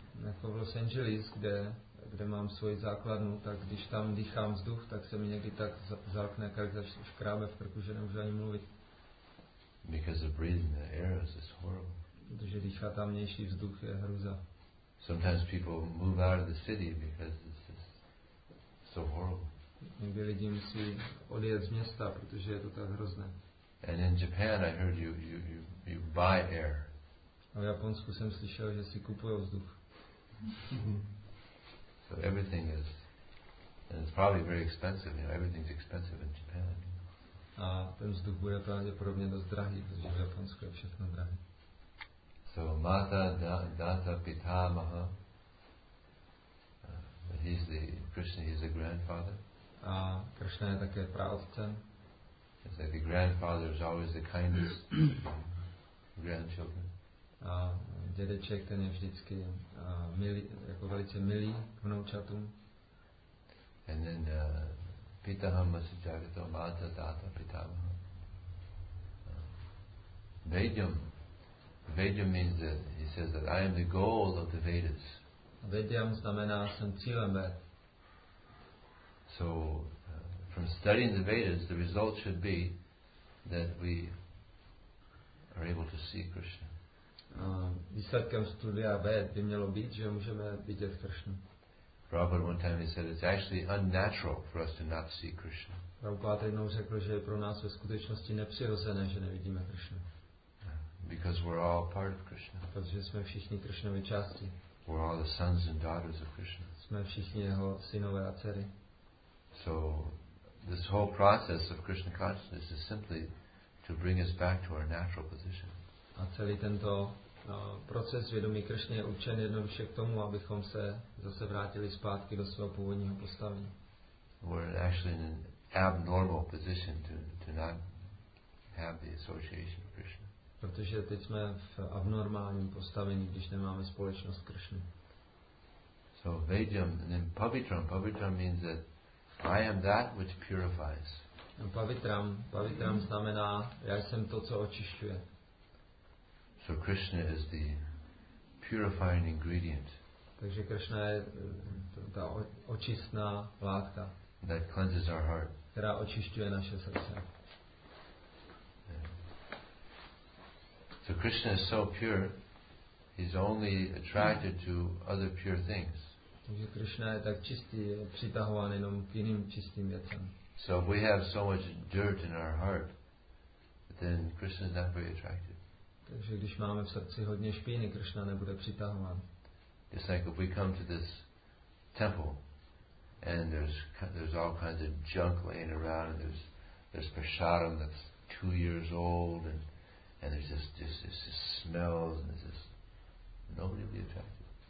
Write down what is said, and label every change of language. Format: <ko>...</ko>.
<cs>Jako v Los Angeles, kde mám svoji základnu, tak když tam dýchám vzduch, tak se mi někdy tak zalkne, jak škrábe v krku, že nemůžu ani mluvit.</cs> <en>Because of breathing the air is horrible.</en> <cs>Protože dýchá tam vnější vzduch je hruza.</cs> <en>Sometimes people move out of the city because it's so horrible.</en> <cs>Někdy lidi musí odjet z města, protože je to tak hrozné.</cs> <en>And in Japan, I heard you buy air.</en> <cs>A v Japonsku jsem slyšel, že si kupují vzduch.</cs> <en>So everything is, and it's probably very expensive. You know, everything's expensive in Japan.</en> <cs>A ten vzduch bude pravděpodobně dost drahý, protože v Japonsku je všechno drahé.</cs> <sa>So Mata Data Pitamaha.</sa> <en>He's the Krishna, he's the grandfather.</en> <cs>A Krishna je také praotcem.</cs> <en>He's like the grandfather is always the kindest grandchildren.</en> <cs>A dědeček ten je vždycky milý, jako velice milý k vnoučatům.</cs> <en>And then</en> <sa>Pitaham Masi Jagato Mata Data Pitamaha. Vedyam.</sa> <en>Vedyam means that he says that I am the goal of the Vedas.</en> <cs>Vedyam znamená jsem cílem Ved.</cs> <en>So from studying the Vedas, the result should be that we are able to see Krishna.</en> <cs>Výsledkem studia Ved by mělo být, že můžeme vidět Krishna.</cs> <en>Prabhupada one time he said it's actually unnatural for us to not see Krishna.</en> <cs>Prabhupada jednou řekl, že pro nás ve skutečnosti nepřirozené, že nevidíme Krishna.</cs> <en>Because we're all part of Krishna.</en> <cs>Protože jsme všichni Krishnovy části.</cs> <en>We're all the sons and daughters of Krishna.</en> <cs>Jsme všichni jeho synové a dcery.</cs> <en>So this whole process of Krishna consciousness is simply to bring us back to our natural position.</en> <cs>A celý tento proces vědomí Krišny je určen jednoduše k tomu, abychom se zase vrátili zpátky do svého původního postavení.</cs> <en>We're actually in an abnormal position to not have the association with Krishna.</en> <cs>Protože teď jsme v abnormálním postavení, když nemáme společnost Krishna.</cs> <en>So Vedyam and then Pavitram. Pavitram means that I am that which purifies.</en> <cs>Pavitram znamená, já jsem to, co očišťuje.</cs> <en>So Krishna is the purifying ingredient.</en> <cs>Takže Krishna je ta očistná látka.</cs> <en>That cleanses our heart.</en> <cs>Která očišťuje naše srdce.</cs> <en>So Krishna is so pure, he's only attracted to other pure things.</en> <cs>Takže Krishna je tak čistý, je přitahován jenom k jiným čistým věcem.</cs> <en>So if we have so much dirt in our heart, then Krishna is not very attracted.</en> <cs>Takže když máme v srdci hodně špíny, Krishna nebude přitahován.</cs> <en>Just like if we come to this temple and there's all kinds of junk laying around and there's prasadam that's 2 years old and there's just smells and there's just nobody will be attracted.</en>